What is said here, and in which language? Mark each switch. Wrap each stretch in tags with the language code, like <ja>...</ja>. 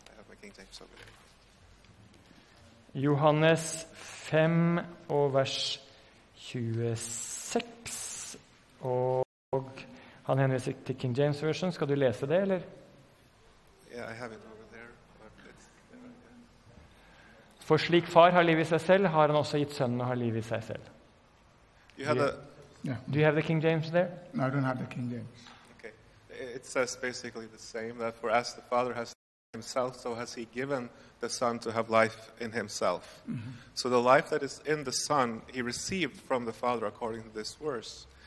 <en>I have my King James over there.</en> <no>Johannes 5:26, og han henviser til King James version. Skal du lese det eller?</no> <en>Yeah, I have it over there. Yeah.</en> <no>For slik far har liv i seg selv, har han også gitt sønnen og har liv i seg selv.</no> <en>You have Do you have the King James there? No, I don't have the King James. Okay. It says basically the same, that for as the Father has himself, so has he given the Son to have life in himself. Mm-hmm. So the life that is in the Son, he received from the Father according to this verse.</en>